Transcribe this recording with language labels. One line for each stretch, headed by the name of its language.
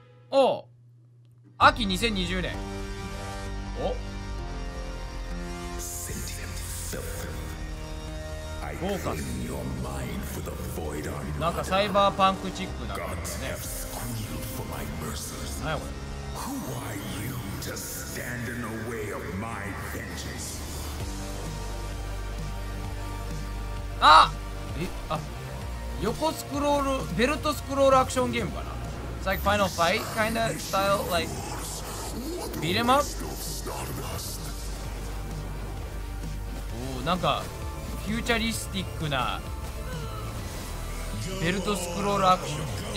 Japanese: おう、秋2020年。お、センティメントフィルフィル、フォーカス。なんかサイバーパンクチックなんだろうね。何やこれ。
English: Who are you to stand in the way of my vengeance?
Japanese: あ、え、あ、横スクロール、ベルトスクロールアクションゲームかな。
English: It's like Final Fight kind of style, like beat em up。
Japanese: おー、なんかフューチャリスティックなベルトスクロールアクション。